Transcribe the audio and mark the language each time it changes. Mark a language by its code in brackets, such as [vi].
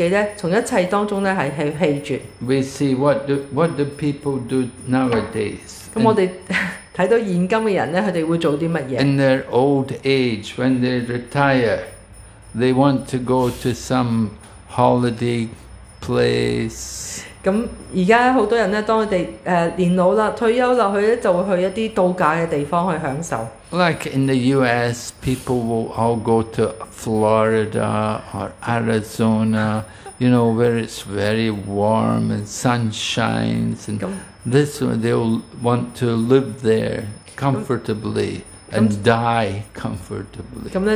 [zh] 他要將自己從一切當中棄絕。 [en] We see what do people do nowadays. [zh] 看到現今的人，他們會做些什麼？ [en] In their old age, when they retire, they want to go to some holiday place. [zh] 現在很多人，當他們年老了，退休了，他們就會去一些度假的地方去享受。 [en] Like in the US, people will all go to Florida or Arizona, you know, where it's very warm and sun shines. And this one, they'll want to live there comfortably and die comfortably.